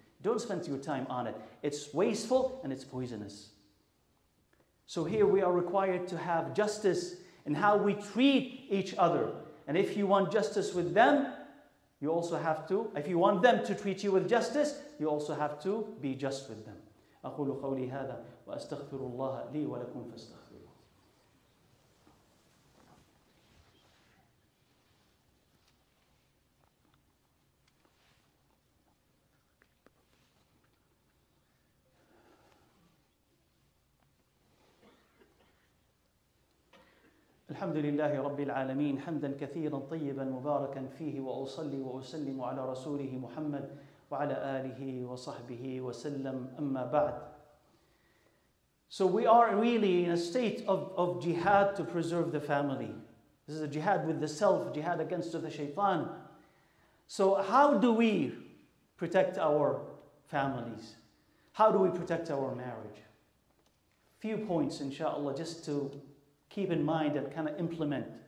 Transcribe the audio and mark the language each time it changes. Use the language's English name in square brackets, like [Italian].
[English] Don't spend your time on it. It's wasteful and it's poisonous. So here we are required to have justice in how we treat each other. And if you want justice with them, you also have to. If you want them to treat you with justice, you also have to be just with them. [Arabic] أقول قولي هذا وأستغفر الله لي ولكم فاستغفر. الحمد لله رب العالمين حمدا كثيرا طيبا مباركا فيه وأصلي وأسلم على رسوله محمد وعلى آله وصحبه وسلم أما بعد. [English] So we are really in a state of jihad to preserve the family. This is a jihad with the self, jihad against the shaitan. So how do we protect our families? How do we protect our marriage? Few points inshallah just to keep in mind and kind of implement.